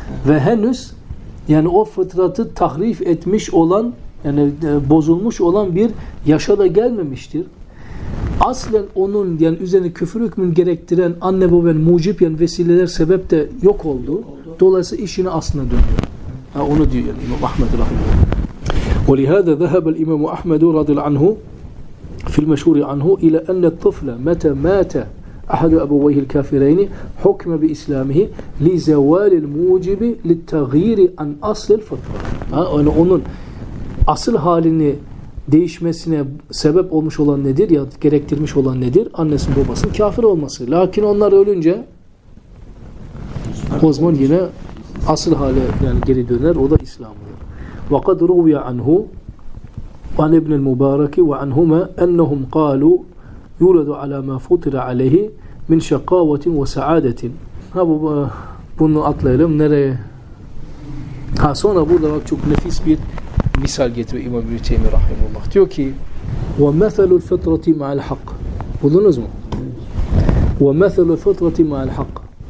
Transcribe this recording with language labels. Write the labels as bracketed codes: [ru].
[tr] Ve henüz yani o fıtratı tahrif etmiş olan yani bozulmuş olan bir yaşa da gelmemiştir. Aslen onun yani üzerine küfür hükmünü gerektiren anne babanın mucib yani vesileler sebep de yok oldu. Dolayısıyla işine aslına dönüyor. Ha onu diyor yani İmam Ahmed rahimehullah. [ar] ولهذا ذهب الإمام أحمد رضي الله عنه في المشهور عنه إلى أن الطفل متى مات أحد أبويه الكافرين حكم بإسلامه لزوال الموجب للتغيير عن أصل الفطرة. [tr] Yani onun asıl halini değişmesine sebep olmuş olan nedir ya gerektirmiş olan nedir? Annesinin babasının kafir olması. Lakin onlar ölünce o zaman yine asıl hale yani geri döner. O da İslam olur. [ar] وَقَدْ رُوْيَ عَنْهُ عن ابن المبارك وعنهما أنهم قالوا يولد على ما فطر عليه من شقاوة وسعادة. [tr] Ha bu bunu atlayalım nereye? Ha sonra burada bak çok nefis bir misal getiriyor İmam İbn-i Teymiyye rahimullah. Diyor ki [ar] وَمَثَلُ الْفِطْرَةِ مَعَ الْحَقِّ. [tr] Buldunuz mu? [ar] وَمَثَلُ الْفِطْرَةِ مَعَ الْحَقِّ.